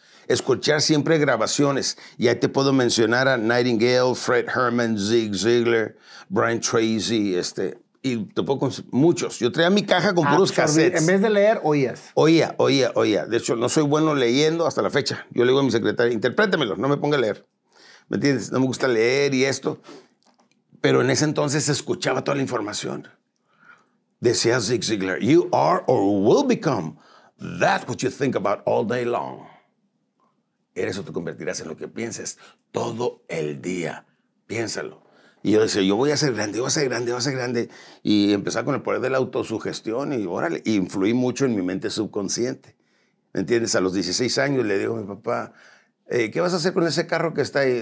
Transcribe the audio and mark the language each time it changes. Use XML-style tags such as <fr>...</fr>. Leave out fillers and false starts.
<es>Escuchar siempre grabaciones. Y ahí te puedo mencionar a Nightingale, Fred Herman, Zig Ziglar, Brian Tracy, y te puedo muchos. Yo traía mi caja con puros cassettes. En vez de leer, oías. Oía. De hecho, no soy bueno leyendo hasta la fecha. Yo le digo a mi secretaria, interprétamelo, no me ponga a leer. ¿Me entiendes? No me gusta leer y esto... Pero en ese entonces escuchaba toda la información. Decía</es> <en>Zig Ziglar, you are or will become that what you think about all day long.</en> <es>Eres o te convertirás en lo que pienses todo el día. Piénsalo. Y yo decía, yo voy a ser grande, voy a ser grande, voy a ser grande. Y empezaba con el poder de la autosugestión y órale, y influí mucho en mi mente subconsciente. ¿Me entiendes? A los 16 años le digo a mi papá, ¿qué vas a hacer con ese carro que está ahí?</es>